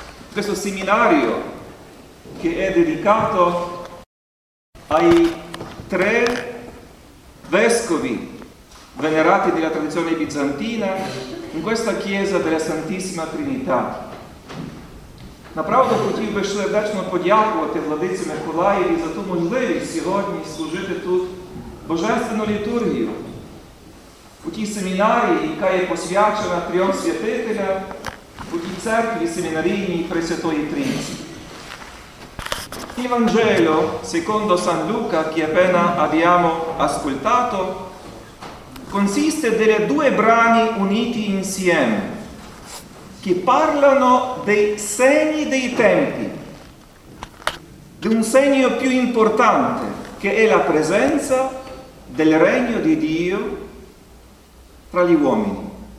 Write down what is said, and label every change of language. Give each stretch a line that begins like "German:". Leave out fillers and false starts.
Italian: questo seminario che è dedicato ai tre vescovi venerati della tradizione bizantina in questa chiesa della Santissima Trinità.
Ukrainian: Направду хотів би сердечно подякувати владиці Миколаєві за ту можливість сьогодні служити тут божественну літургію у тій семінарії, яка є посвячена трьом святителям, у тій церкві семінарійній Пресвятої Трійці.
Italian: Івангелію, secondo San Luca, che appena abbiamo ascoltato, consiste delle due brani uniti insieme, che parlano dei segni dei tempi, di un segno più importante, che è la presenza del Regno di Dio tra gli uomini.